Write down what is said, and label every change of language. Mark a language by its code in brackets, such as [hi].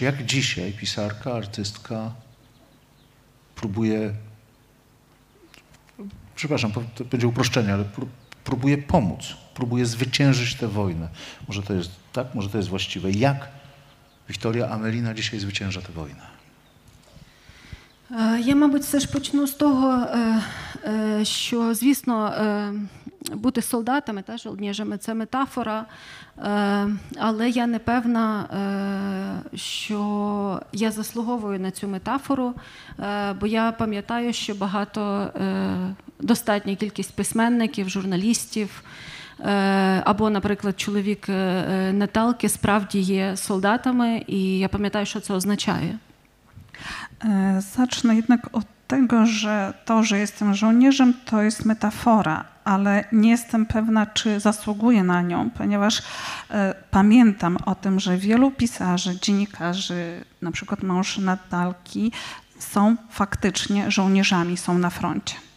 [pl] Jak dzisiaj pisarka, artystka próbuje, przepraszam, to będzie uproszczenie, ale próbuje pomóc, próbuje zwyciężyć tę wojnę. Może to jest tak, może to jest właściwe. Jak Wiktoria Amelina dzisiaj zwycięża tę wojnę? [uk] Я, мабуть, все ж почну з того, що, звісно, бути солдатами, та жолдіжами – це метафора, але я не певна, що я заслуговую на цю метафору, бо я пам'ятаю, що багато, достатня кількість письменників, журналістів, або, наприклад, чоловік Наталки справді є солдатами, і я пам'ятаю, що це означає. [pl] Zacznę jednak od tego, że to, że jestem żołnierzem, to jest metafora, ale nie jestem pewna, czy zasługuję na nią, ponieważ pamiętam o tym, że wielu pisarzy, dziennikarzy, na przykład mąż Natalki, są faktycznie żołnierzami, są na froncie.